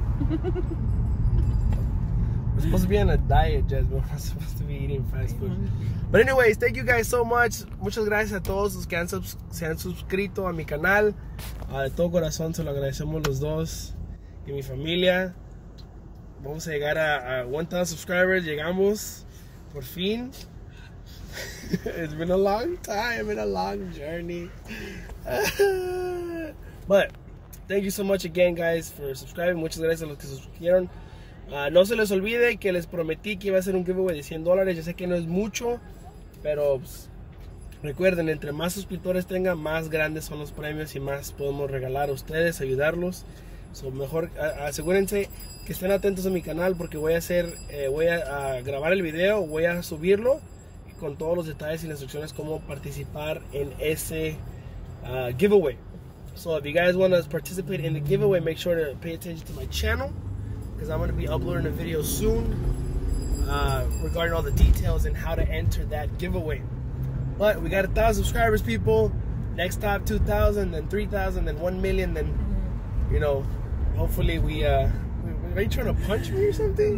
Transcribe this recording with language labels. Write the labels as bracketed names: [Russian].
[English] We're supposed to be on a diet, Jasmine. We're not supposed to be eating fast food. But anyways, thank you guys so much. [Spanish] Muchas gracias a todos los que se han suscrito a mi canal. De todo corazón se lo agradecemos los dos y mi familia. Vamos a llegar a 1,000 subscribers. Llegamos. Por fin. [English] It's been a long time and a long journey. But thank you so much again, guys, for subscribing. [Spanish] Muchas gracias a los que suscribieron. No se les olvide que les prometí que iba a hacer un giveaway de $100. Yo sé que no es mucho, pero pues, recuerden, entre más suscriptores tengan, más grandes son los premios y más podemos regalar a ustedes, ayudarlos. So, mejor asegúrense que estén atentos a mi canal porque voy a grabar el video, voy a subirlo con todos los detalles y las instrucciones cómo participar en ese giveaway. [English] So if you guys want to participate in the giveaway, make sure to pay attention to my channel because I'm going to be uploading a video soon regarding all the details and how to enter that giveaway. But we got 1,000 subscribers, people. Next stop 2,000, then 3,000, then 1,000,000, then, you know, hopefully we, are you trying to punch me or something?